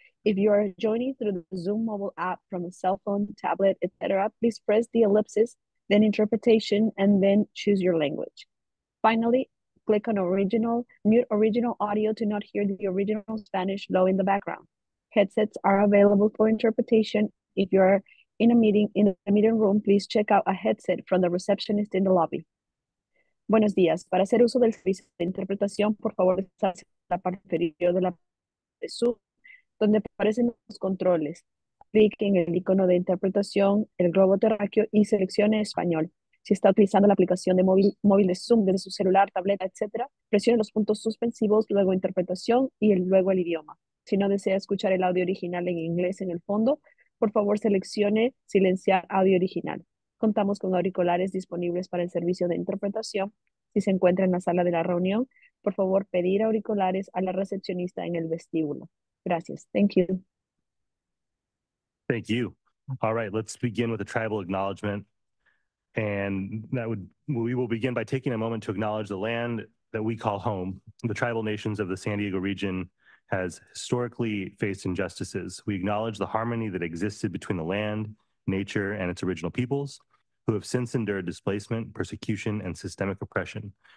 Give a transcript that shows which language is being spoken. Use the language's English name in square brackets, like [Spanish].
[English] If you are joining through the Zoom mobile app from a cell phone, tablet, etc., please press the ellipsis, then interpretation, and then choose your language. Finally, click on original, mute original audio to not hear the original Spanish low in the background. Headsets are available for interpretation. If you are in a meeting, in the meeting room, please check out a headset from the receptionist in the lobby. [Spanish] Buenos días. Para hacer uso del servicio de interpretación, por favor, desplace la parte inferior de la Zoom, donde aparecen los controles. Clique en el icono de interpretación, el globo terráqueo y seleccione español. Si está utilizando la aplicación de móvil de Zoom desde su celular, tableta, etc., presione los puntos suspensivos, luego interpretación y luego el idioma. Si no desea escuchar el audio original en inglés en el fondo, por favor seleccione silenciar audio original. Contamos con auriculares disponibles para el servicio de interpretación. Si se encuentra en la sala de la reunión, por favor pedir auriculares a la recepcionista en el vestíbulo. [English] Gracias. Thank you. Thank you. All right, let's begin with a tribal acknowledgement. And that would, we will begin by taking a moment to acknowledge the land that we call home. The tribal nations of the San Diego region has historically faced injustices. We acknowledge the harmony that existed between the land, nature, and its original peoples, who have since endured displacement, persecution, and systemic oppression.